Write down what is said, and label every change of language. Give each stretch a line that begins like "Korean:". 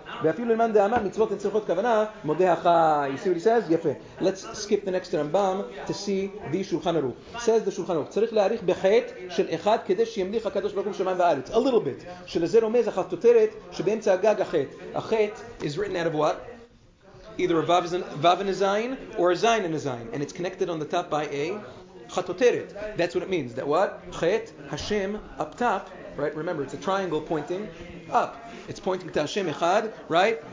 Hebrew: ואפילו למען דאמר מצוות נצרכות כוונה, מודה החי.
English: You see what he says?
Hebrew: יפה.
English: Let's skip the next Rambam to see the Shulchan Aruch. Says the Shulchan Aruch.
Hebrew: צריך להאריך בחטא של אחד כדי שימליך הקדוש ברוך הוא שמיים וארץ.
English: A little bit.
Hebrew: שלזה רומז החטוטרת שבאמצע הגג החטא.
English: החטא is written out of what? Either a vav and a zayin or a zayin and a zayin. And it's connected on the top by a chatoteret. That's what it means. That what? Chet, Hashem, up top. Right? Remember, it's a triangle pointing up. It's pointing to Hashem Echad, right?